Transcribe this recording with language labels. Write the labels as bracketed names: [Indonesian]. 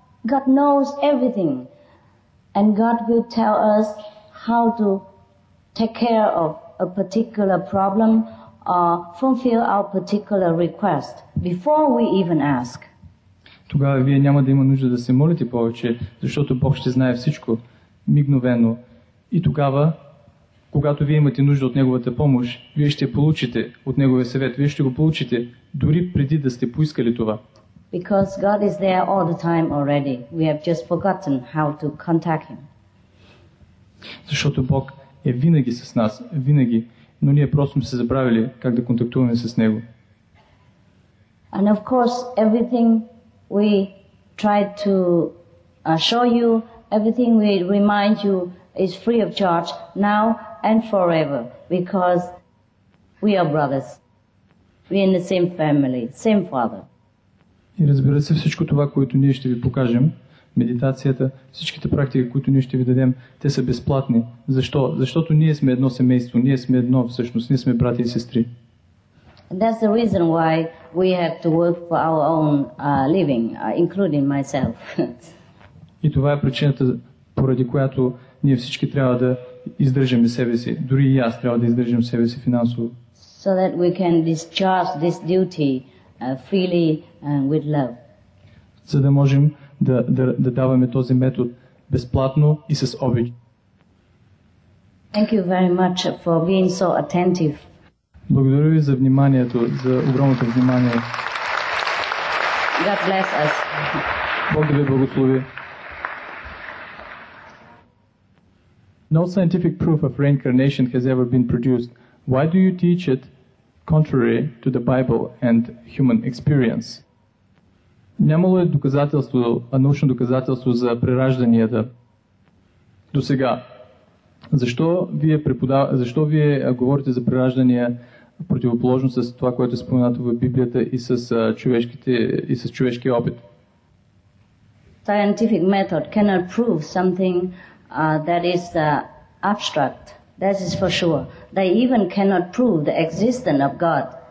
[English] God knows everything. And God will tell us how to take care of a particular problem or fulfill our particular request before we even ask. [Bulgarian] Тогава вие няма да има нужда да се молите повече, защото Бог ще знае всичко мигновено. И тогава, когато вие имате нужда от Неговата помощ, вие ще получите от Неговия съвет, вие ще го получите дори преди да сте поискали това. [English] Because God is there all the time already. We have just forgotten how to contact Him. [Bulgarian] Защото Бог е винаги с нас, винаги, но ние просто сме се забравили как да контактуваме с Него. [English] And of course, everything we try to show you, everything we remind you is free of charge now and forever, because we are brothers. We are in the same family, same father. [Bulgarian] И разбира се, всичко това, което ние ще ви покажем, медитацията, всичките практики, които ние ще ви дадем, те са безплатни. Защо? Защото ние сме едно семейство, ние сме едно всъщност, ние сме брати и сестри. [English] And that's the reason why we have to work for our own living, including myself. [Bulgarian] И това е причината, поради която ние всички трябва да издържаме себе си, дори и аз трябва да издържам себе си финансово. [English] So that we can discharge this duty freely and with love. [Bulgarian] За да можем да даваме този метод безплатно и с обич. [English] Thank you very much for being so attentive. [Bulgarian] Благодаря ви за вниманието, за огромното внимание. [English] God bless us. [Bulgarian] Бог да ви благослови. [English] No scientific proof of reincarnation has ever been produced. Why do you teach it contrary to the Bible and human experience? [Bulgarian] Нямало е доказателство, научно доказателство за преражданията до сега. Защо вие говорите за преражданията противоположно с това, което е споменато в Библията и с човешкия опит? [English] Scientific method cannot prove something that is abstract. That is for sure. They even cannot prove the existence of God.